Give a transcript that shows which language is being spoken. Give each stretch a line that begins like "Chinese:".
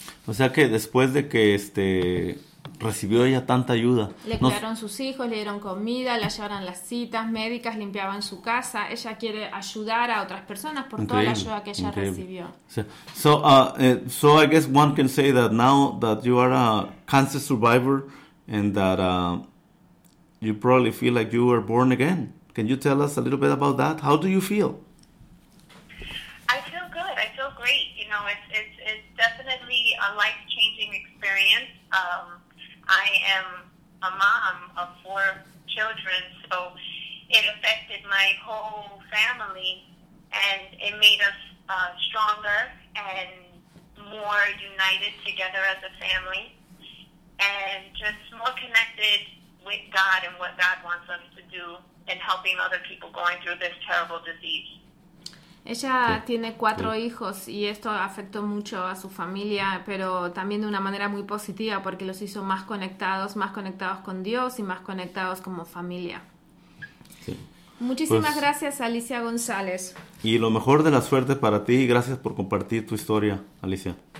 Spanish: O sea que después de que recibió ella tanta ayuda. Le cuidaron sus hijos, le dieron comida, le llevaron las citas médicas, limpiaban su casa. Ella quiere ayudar a otras personas por toda la ayuda que ella recibió.
English: So I guess one can say that now that you are a cancer survivor and that you probably feel like you were born again. Can you tell us a little bit about that? How do you feel? I feel good. I feel great. You know, it's definitely a life-changing experience. I am a mom of four children, so it affected my whole family, and it made us stronger and more united together as a family, and just more connected with God and what God wants us to do in helping other people going through this terrible disease.
Spanish: Ella tiene cuatro hijos y esto afectó mucho a su familia, pero también de una manera muy positiva porque los hizo más conectados con Dios y más conectados como familia. Sí. Muchísimas gracias, Alicia González. Y lo mejor de la suerte para ti y gracias por compartir tu historia, Alicia.